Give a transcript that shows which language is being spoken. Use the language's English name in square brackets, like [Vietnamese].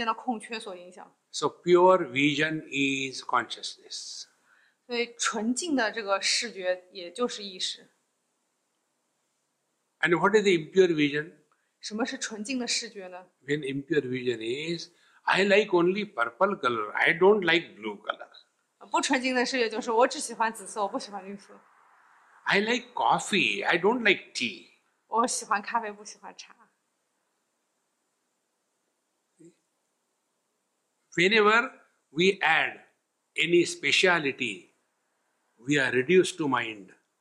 [Chinese] 就在这两人中间没有人存在，它是一个空的空缺。那你的眼睛也没有受这两个人的存在，或者说中间的空缺所影响。 [English] So pure vision is consciousness. [Chinese] 所以纯净的这个视觉也就是意识。 [English] And what is the impure vision? [Chinese] 什么是纯净的视觉呢? [English] When impure vision is, I like only purple color, I don't like blue color. [Chinese] 不纯净的视觉就是我只喜欢紫色，我不喜欢绿色。 [English] I like coffee, I don't like tea. [Chinese] 我喜欢咖啡，不喜欢茶。 [English] Whenever we add any speciality, we are reduced to mind.